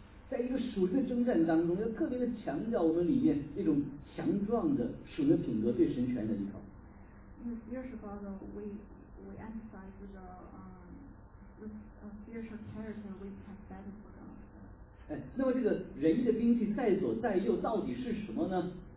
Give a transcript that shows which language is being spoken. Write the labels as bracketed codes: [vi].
[zh] 在一个属灵的征战当中，要特别的强调我们里面那种强壮的属灵品格对神权的依靠。 [en] In the spiritual battle, we emphasize the spiritual character we have battled for God. [zh] 那么这个仁义的兵器在左在右到底是什么呢？